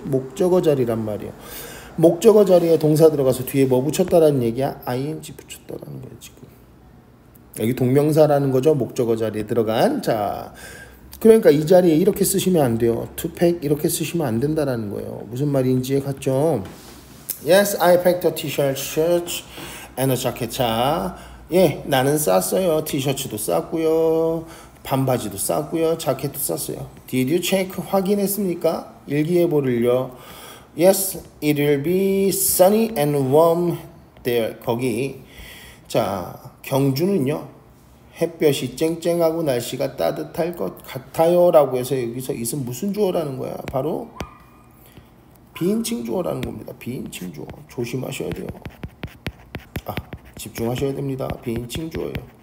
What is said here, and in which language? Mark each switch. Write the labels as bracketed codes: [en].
[ko] 목적어 자리란 말이에요. 목적어 자리에 동사 들어가서 뒤에 뭐 붙였다라는 얘기야? ing 붙였다라는 거야 지금. 여기 동명사라는 거죠. 목적어 자리에 들어간. 자, 그러니까 이 자리에 이렇게 쓰시면 안 돼요. [en] To pack [ko] 이렇게 쓰시면 안 된다라는 거예요. 무슨 말인지 같죠? [en] Yes, I packed a t-shirt, shirt and a jacket. [ko] 자, 예, 나는 쌌어요. 티셔츠도 쌌고요. 반바지도 쌌고요. 자켓도 쌌어요. [en] Did you check [ko] 확인했습니까? 일기예보를요. [en] Yes, it will be sunny and warm there. [ko] 거기, 자, 경주는요, 햇볕이 쨍쨍하고 날씨가 따뜻할 것 같아요. 라고 해서 여기서 is 무슨 주어라는 거야? 바로 비인칭 주어라는 겁니다. 비인칭 주어. 조심하셔야 돼요. 아, 집중하셔야 됩니다. 비인칭 주어예요.